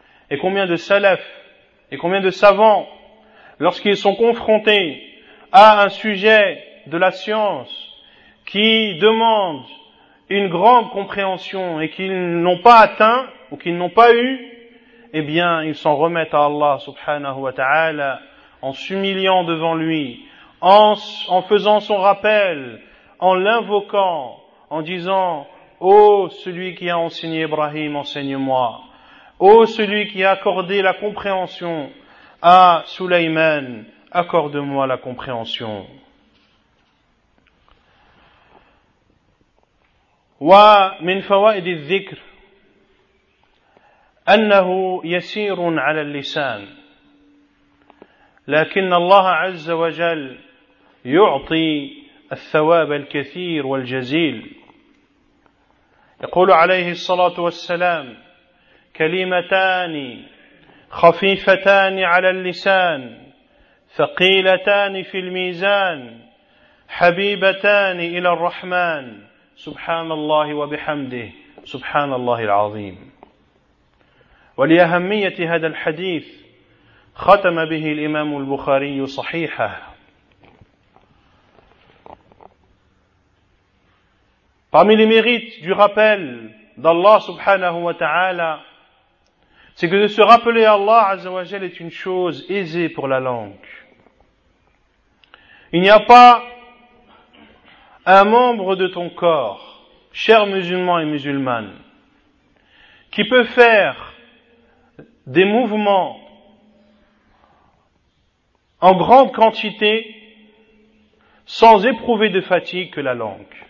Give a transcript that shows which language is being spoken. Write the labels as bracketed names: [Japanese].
[French] Et combien de salafs et combien de savants, lorsqu'ils sont confrontés à un sujet de la science qui demande une grande compréhension et qu'ils n'ont pas atteint ou qu'ils n'ont pas eu, eh bien, ils s'en remettent à Allah subhanahu wa ta'ala en s'humiliant devant lui, en faisant son rappel, en l'invoquant, en disant « Oh, celui qui a enseigné Ibrahim, enseigne-moi. Oh, celui qui a accordé la compréhension à Sulaiman, accorde-moi la compréhension. » [Arabic] Wa min fawaid al-dhikr أنه يسير على اللسان لكن الله عز وجل يعطي الثواب الكثير والجزيل يقول عليه الصلاة والسلام كلمتان خفيفتان على اللسان ثقيلتان في الميزان حبيبتان إلى الرحمن سبحان الله وبحمده سبحان الله العظيم ولأهمية هذا الحديث ختم به الإمام البخاري صحيحه. [French] Parmi les mérites du rappel d'Allah subhanahu wa ta'ala, c'est que de se rappeler Allah azza wa jal est une chose aisée pour la langue. Il n'y a pas un membre de ton corps, cher musulman et musulmane, qui peut faire des mouvements en grande quantité sans éprouver de fatigue que la langue.